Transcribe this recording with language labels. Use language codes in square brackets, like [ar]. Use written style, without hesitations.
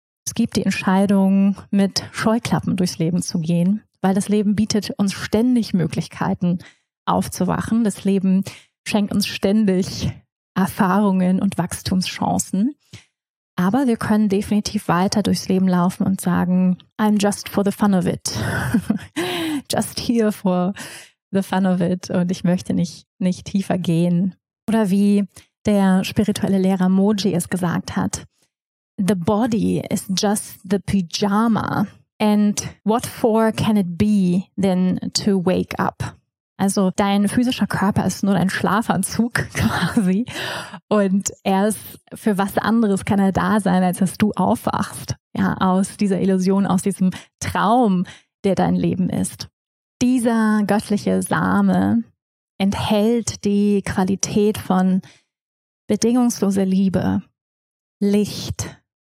[de] Es gibt die Entscheidung, mit Scheuklappen durchs Leben zu gehen, weil das Leben bietet uns ständig Möglichkeiten, aufzuwachen. Das Leben schenkt uns ständig Erfahrungen und Wachstumschancen. Aber wir können definitiv weiter durchs Leben laufen und sagen, [en] I'm just for the fun of it. Just here for the fun of it. [de] Und ich möchte nicht tiefer gehen. Oder wie der spirituelle Lehrer Moji es gesagt hat: [en] The body is just the pyjama. And what for can it be then to wake up? [de] Also dein physischer Körper ist nur dein Schlafanzug quasi. Und er ist, für was anderes kann er da sein, als dass du aufwachst, ja, aus dieser Illusion, aus diesem Traum, der dein Leben ist. Dieser göttliche Same enthält die Qualität von bedingungslose Liebe, Licht,